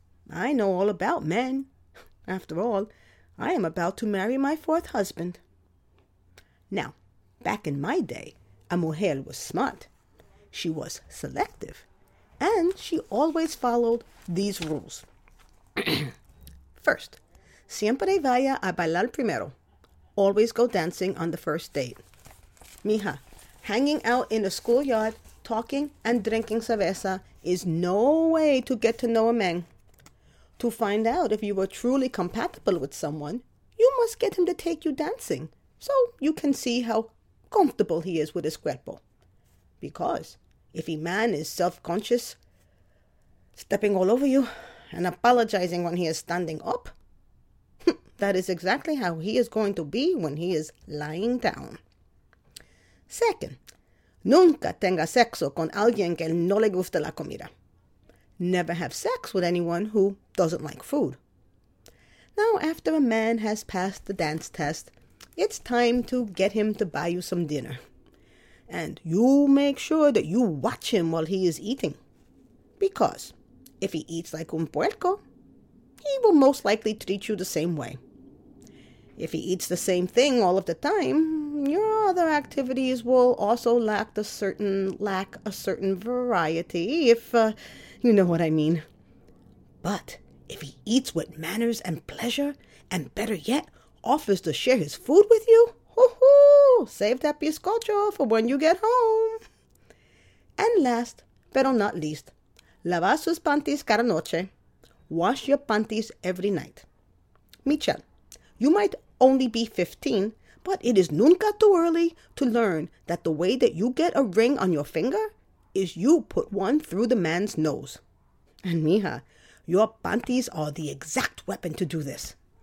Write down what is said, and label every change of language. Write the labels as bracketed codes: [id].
[en] I know all about men. After all, I am about to marry my fourth husband. Now, back in my day, a mujer was smart. She was selective. And she always followed these rules. [es] First, siempre vaya a bailar primero. [en] Always go dancing on the first date. Mija, hanging out in a schoolyard, talking and drinking cerveza is no way to get to know a man. To find out if you are truly compatible with someone, you must get him to take you dancing so you can see how comfortable he is with his cuerpo. Because if a man is self-conscious, stepping all over you, and apologizing when he is standing up, that is exactly how he is going to be when he is lying down. [es] Second, nunca tenga sexo con alguien que no le gusta la comida. [en] Never have sex with anyone who doesn't like food. Now, after a man has passed the dance test, it's time to get him to buy you some dinner. And you make sure that you watch him while he is eating. Because if he eats like [es] un puerco, [en] he will most likely treat you the same way. If he eats the same thing all of the time, your other activities will also lack a certain variety, if you know what I mean. But if he eats with manners and pleasure, and better yet, offers to share his food with you, hoo-hoo, save that bizcocho for when you get home. And last, [es] pero [en] not least, [es] lava sus panties cada noche. [en] Wash your panties every night. Michelle, you might only be 15, but it is nunca too early to learn that the way that you get a ring on your finger is you put one through the man's nose. And mija, your panties are the exact weapon to do this.